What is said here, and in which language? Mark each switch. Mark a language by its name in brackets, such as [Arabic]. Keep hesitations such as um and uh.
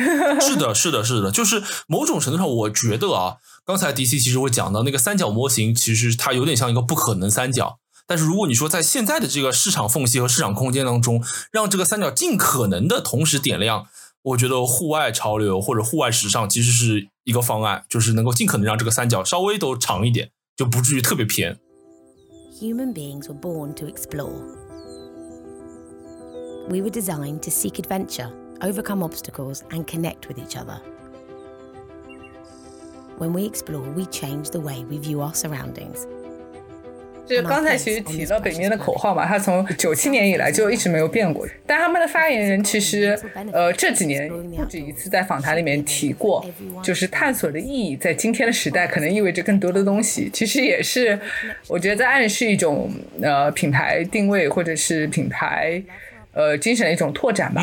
[Chinese] 是的，是的，是的，就是某种程度上，我觉得啊，刚才迪 C 其实我讲到那个三角模型，其实它有点像一个不可能三角。但是如果你说在现在的这个市场缝隙和市场空间当中，让这个三角尽可能的同时点亮，我觉得户外潮流或者户外时尚其实是一个方案，就是能够尽可能让这个三角稍微都长一点，就不至于特别偏。 [English] Human beings were born to explore. We were designed to seek adventure, overcome obstacles, and connect with each other. When we explore, we change the way we view our surroundings. [Chinese] 就是刚才其实提到北面的口号嘛，他从九七年以来就一直没有变过。但他们的发言人其实，呃，这几年不止一次在访谈里面提过，就是探索的意义在今天的时代可能意味着更多的东西。其实也是，我觉得在暗示一种呃品牌定位或者是品牌呃精神的一种拓展吧。